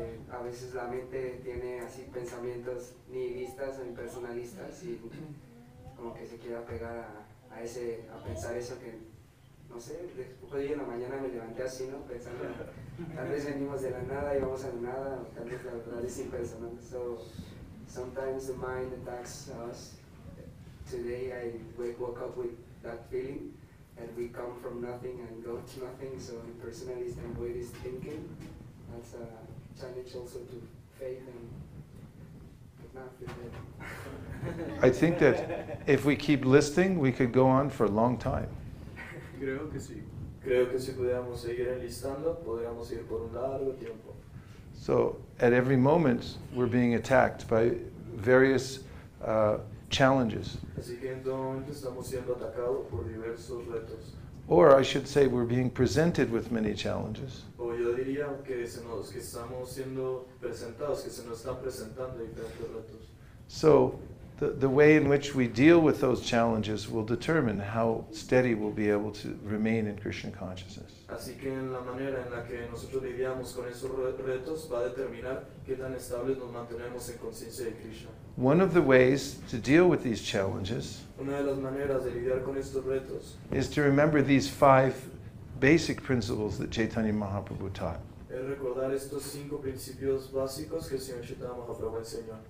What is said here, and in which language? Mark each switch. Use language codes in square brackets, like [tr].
[es] A veces la mente tiene así pensamientos nihilistas o impersonalistas y como que se quiere apegar a pensar eso que, no sé, hoy en la mañana me levanté así, ¿no? Pensando, tal vez venimos de la nada y vamos a la nada, o tal vez la verdad es impersonal. [en] So, sometimes the mind attacks us. Today I woke up with that feeling that we come from nothing and go to nothing, so impersonalist and Buddhist thinking. That's a challenge also to faith and not feel I think that if we keep listing, we could go on for a long time. [es] Creo que sí. Creo que si pudiéramos seguir enlistando, podríamos ir por un largo tiempo. [en] So at every moment, we're being attacked by various challenges. [es] Así que en todo momento estamos siendo atacados por diversos retos. [en] Or I should say we're being presented with many challenges. [es] O yo diría que estamos siendo presentados, que se nos están presentando diferentes retos. [en] So the way in which we deal with those challenges will determine how steady we'll be able to remain in Krishna consciousness. [es] Así que en la manera en la que nosotros lidiamos con esos retos va a determinar qué tan estables nos mantenemos en conciencia de Krishna. [en] One of the ways to deal with these challenges [es] Una de las maneras de lidiar con estos retos [en] is to remember these five basic principles that Chaitanya Mahaprabhu taught. [es] Es recordar estos cinco principios básicos que el Señor Chaitanya Mahaprabhu enseñó.